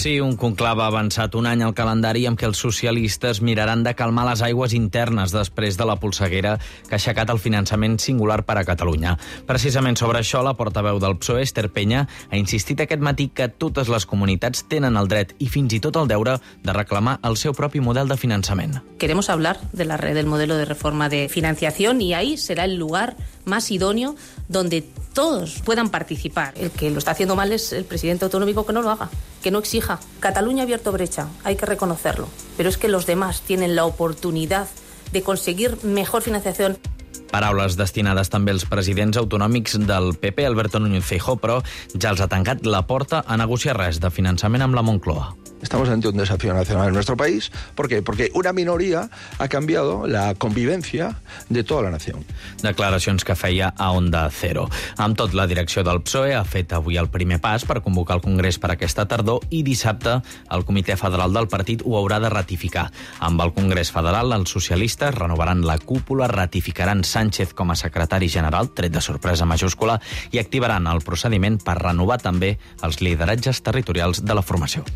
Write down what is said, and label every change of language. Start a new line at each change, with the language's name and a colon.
Catalan: Sí, un conclave avançat un any al calendari en què els socialistes miraran de calmar les aigües internes després de la polseguera que ha aixecat el finançament singular per a Catalunya. Precisament sobre això, la portaveu del PSOE, Esther Peña, ha insistit aquest matí que totes les comunitats tenen el dret i fins i tot el deure de reclamar el seu propi model de finançament.
Spanish: Queremos hablar de la red del modelo de reforma de financiación y ahí será el lugar más idóneo donde todos puedan participar. El que lo está haciendo mal es el presidente autonómico, que no lo haga, que no exija. Cataluña ha abierto brecha, hay que reconocerlo, pero es que los demás tienen la oportunidad de conseguir mejor financiación.
Catalan: Paraules destinades també als presidents autonòmics del PP, Alberto Núñez Feijóo, però ja els ha tancat la porta a negociar res de finançament amb la Moncloa.
Spanish: Estamos ante un desafío nacional en nuestro país. ¿Por qué? Porque una minoría ha cambiado la convivencia de toda la nación.
Catalan: Declaracions que feia a Onda Cero. Amb tot, la direcció del PSOE ha fet avui el primer pas per convocar el Congrés per aquesta tardor i dissabte el Comitè Federal del Partit ho haurà de ratificar. Amb el Congrés Federal, els socialistes renovaran la cúpula, ratificaran Sánchez com a secretari general, tret de sorpresa majúscula, i activaran el procediment per renovar també els lideratges territorials de la formació.